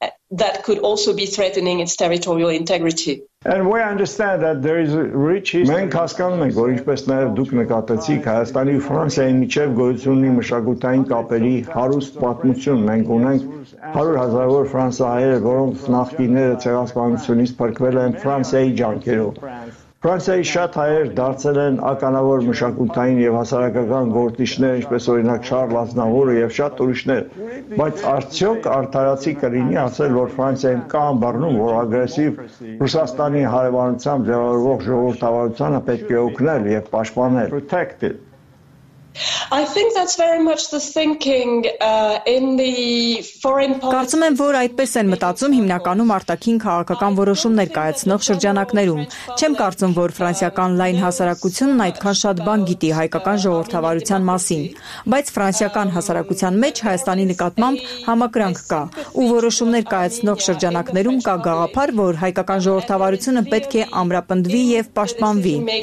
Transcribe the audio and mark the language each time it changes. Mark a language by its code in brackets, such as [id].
[en] That could also be threatening its territorial integrity. And we understand that there is a rich history. [hy] Մենք հասկանում ենք, որ ինչպես նաև դուք նկատեցիք, Հայաստանի ու Ֆրանսիայի միջև գոյություն ունի մշակութային կապերի հարուստ պատմություն։ Մենք ունենք 100 հազարավոր ֆրանսահայեր, որոնց նախկինները ցեղասպանությունից փրկվել են Ֆրանսիայի ջանքերով։ Ֆրանսիայի շատ հայեր դարձել են ականավոր մշակութային եւ հասարակական գործիչներ, ինչպես օրինակ Չարլ Ազնավորը եւ շատ ուրիշներ, բայց արդյոք արդարացի կլինի ասել, որ Ֆրանսիան կամ բռնում, որ ագրեսիվ Ռուսաստանի հարևանությամբ ձևավորվող ժողովրդավարությունը պետք է օգնել եւ պաշտպանել։ [en] I think that's very much the thinking in the foreign policy. [hy] Կարծում եմ, որ այդպես են մտածում հիմնականում արտաքին քաղաքական որոշումներ կայացնող շրջանակներում։ Չեմ կարծում, որ ֆրանսիական լայն հասարակությունն այդքան շատ բան գիտի հայկական ժողովրդավարության մասին, բայց ֆրանսիական հասարակության մեջ Հայաստանի նկատմամբ համակրանք կա, ու որոշումներ կայացնող շրջանակներում կա գաղափար, որ հայկական ժողովրդավարությունը պետք է ամրապնդվի եւ պաշտպանվի։